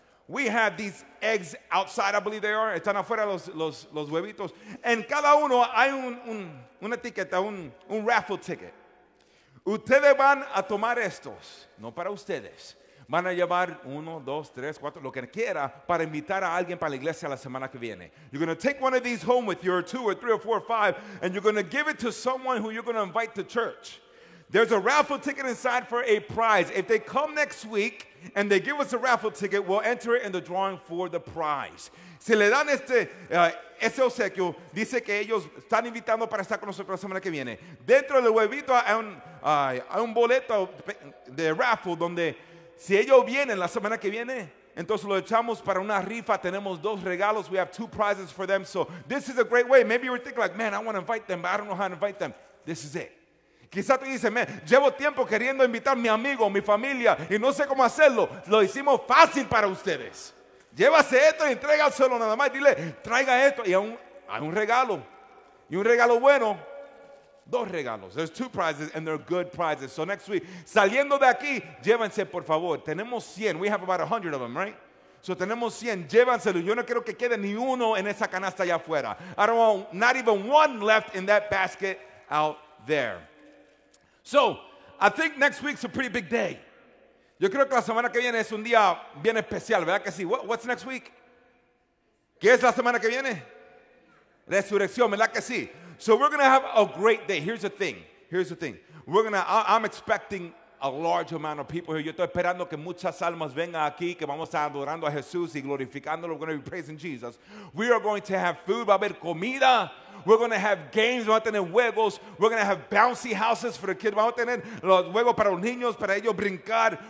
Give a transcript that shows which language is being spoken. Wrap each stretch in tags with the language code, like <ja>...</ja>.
<en>We have these eggs outside, I believe they are.</en> <es>Están afuera los huevitos. En cada uno hay una etiqueta, un raffle ticket. Ustedes van a tomar estos, no para ustedes. Van a llevar uno, dos, tres, cuatro, lo que quiera para invitar a alguien para la iglesia la semana que viene.</es> <en>You're going to take one of these home with your two or three or four or five, and you're going to give it to someone who you're going to invite to church. There's a raffle ticket inside for a prize. If they come next week and they give us a raffle ticket, we'll enter it in the drawing for the prize.</en> <es>Si le dan ese obsequio, dice que ellos están invitando para estar con nosotros la semana que viene. Dentro del huevito hay un boleto de raffle donde... Si ellos vienen la semana que viene, entonces lo echamos para una rifa. Tenemos dos regalos.</es> <en>We have two prizes for them. So this is a great way. Maybe you were thinking like, man, I want to invite them, but I don't know how to invite them. This is it.</en> <es>Quizás tú dices, man, llevo tiempo queriendo invitar a mi amigo, mi familia, y no sé cómo hacerlo. Lo hicimos fácil para ustedes. Llévase esto y entrégaselo nada más. Dile, traiga esto. Y hay un regalo. Y un regalo bueno. Dos regalos.</es> <en>There's two prizes, and they're good prizes. So next week,</en> <es>saliendo de aquí, llévense, por favor. Tenemos 100.</es> <en>We have about 100 of them, right? So</en> <es>tenemos 100. Llévanselo. Yo no quiero que quede ni uno en esa canasta allá afuera.</es> <en>I don't want not even one left in that basket out there. So I think next week's a pretty big day.</en> <es>Yo creo que la semana que viene es un día bien especial, ¿verdad que sí?</es> <en>What's next week?</en> <es>¿Qué es la semana que viene? Resurrección, ¿verdad que sí?</es> <en>So we're going to have a great day. Here's the thing. I'm expecting a large amount of people here.</en> <es>Yo estoy esperando que muchas almas vengan aquí, que vamos a adorando a Jesús y glorificándolo.</es> <en>We're going to be praising Jesus. We are going to have food.</en> <es>Va a haber comida.</es> <en>We're going to have games.</en> <es>Vamos a tener juegos.</es> <en>We're going to have bouncy houses for the kids.</en> <es>Vamos a tener los juegos para los niños, para ellos brincar.</es>